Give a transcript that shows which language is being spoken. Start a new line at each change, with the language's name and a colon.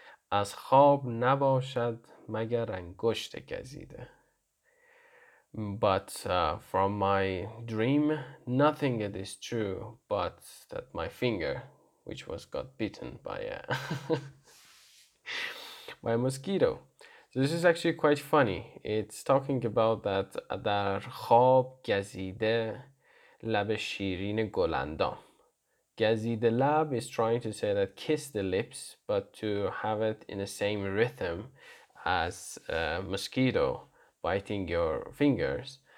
Persian: از خواب نباشد مگر انگشت گزیده.
English: But from my dream, nothing is true but that my finger, which was got bitten by by a mosquito. So this is actually quite funny. It's talking about that
Persian: در خواب گزیده لب شیرین گلندام. گزیده لب
English: is trying to say that kiss the lips, but to have it in the same rhythm as a mosquito biting your fingers.